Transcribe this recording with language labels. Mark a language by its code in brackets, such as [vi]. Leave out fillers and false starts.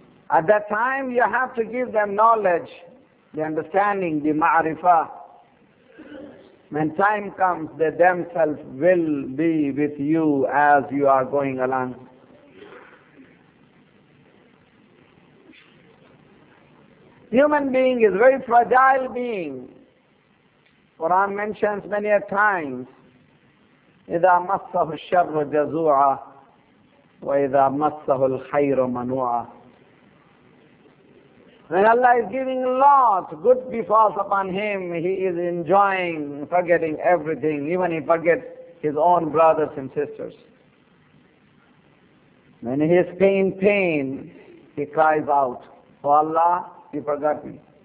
[en] At that time, you have to give them knowledge, the understanding, the ma'rifah. When time comes, they themselves will be with you as you are going along. Human being is a very fragile being. Quran mentions many a times, [ar] إِذَا مَسَّهُ الشَّرُّ جَزُوعًا وَإِذَا مَسَّهُ الْخَيْرُ مَنُوعًا. [en] When Allah is giving a lot, good befalls upon him, he is enjoying, forgetting everything, even he forgets his own brothers and sisters. When he is in pain, he cries out, O Allah, you forgot me.